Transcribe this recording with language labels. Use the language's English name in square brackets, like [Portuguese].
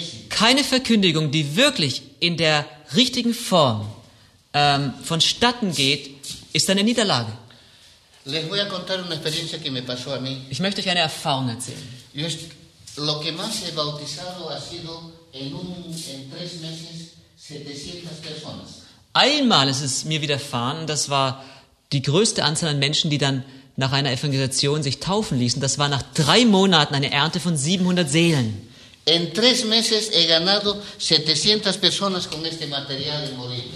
[German] Keine Verkündigung, die wirklich in der richtigen Form vonstatten geht, ist eine Niederlage. Ich möchte euch eine Erfahrung erzählen. [Spanish] Lo que más he bautizado ha sido en tres meses 700 personas. [German] Einmal ist es mir widerfahren, das war die größte Anzahl an Menschen, die dann nach einer Evangelisation sich taufen ließen. Das war nach 3 Monaten eine Ernte von 700 Seelen. [Spanish] En tres meses he ganado 700 personas con este material en Bolivia.